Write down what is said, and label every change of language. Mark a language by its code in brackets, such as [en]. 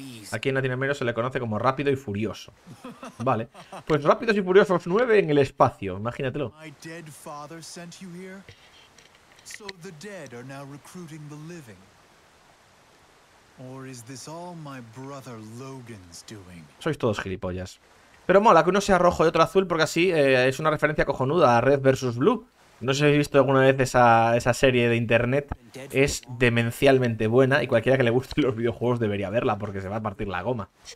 [es] ¿A quién la tiene menos? Se le conoce como Rápido y Furioso. Vale. Pues Rápidos y Furiosos 9 en el espacio, imagínatelo. [en] My dead father sent you here. So the dead are now recruiting the living. Or is this all my brother Logan's doing? [es] Sois todos gilipollas. Pero mola que uno sea rojo y otro azul, porque así es una referencia cojonuda a Red versus Blue, No sé si habéis visto alguna vez esa serie de internet. Es demencialmente buena y cualquiera que le guste los videojuegos debería verla porque se va a partir la goma.